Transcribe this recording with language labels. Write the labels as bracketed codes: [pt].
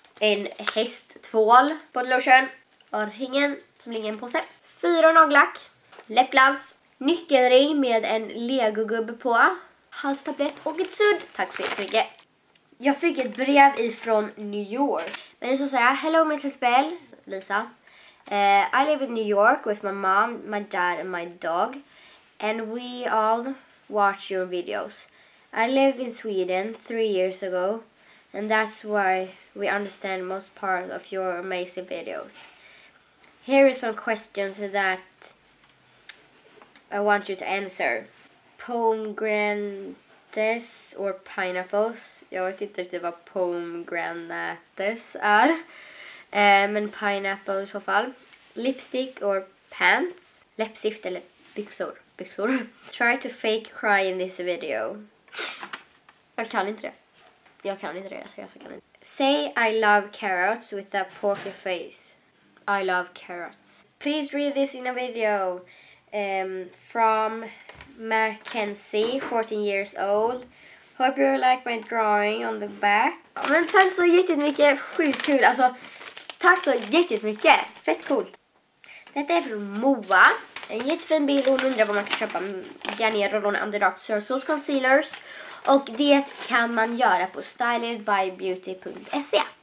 [sv] En hästtvål, body lotion, örhängen som ligger i en påse, 4 nagellack, läppglans, nyckelring med en legogubbe på, halstablett och ett sudd. Tack så mycket. Jag fick ett brev ifrån New York. Men det är så här: [en] hello Mrs. Bell, Lisa. I live in New York with my mom, my dad and my dog. And we all watch your videos. I live in Sweden 3 years ago. And that's why we understand most part of your amazing videos. Here are some questions that I want you to answer. Pomegranates or pineapples? [sv] Jag vet inte riktigt vad pomegranates är. Men pineapple i så fall. [en] Lipstick or pants? [sv] Läppstift eller byxor? Byxor. [en] Try to fake cry in this video. [sv] Jag kan inte det. Jag kan inte det, jag kan inte. [en] Say I love carrots with a poker face. I love carrots. Please read this in a video. From Mackenzie, 14 years old. Hope you like my drawing on the back. [sv] Men tack så jättemycket, sjukt kul. Alltså, tack så jättemycket. Fett coolt. Detta är från Moa. En jättefin bil, hon undrar vad man kan köpa. Garnier Rollon Under Dark Circles Concealers. Och det kan man göra på stylingbybeauty.se.